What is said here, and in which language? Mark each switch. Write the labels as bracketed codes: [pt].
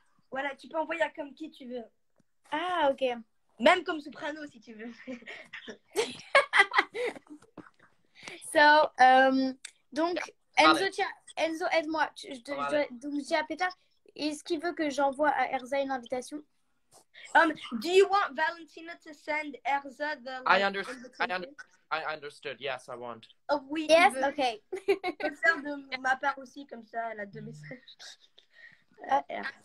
[fr] Voilà, tu peux envoyer comme qui tu veux. Ah, ok. Même comme soprano, si tu veux. So, donc, Enzo, aide-moi. Donc, je dis à Peter, est-ce qu'il veut que j'envoie à Erza une invitation? [en] Do you want Valentina to send Erza the... I understood. Yes, I want. [fr] Oh, oui, [en] yes, ok. [fr] Je peux faire de ma part aussi, comme ça, elle a deux messages.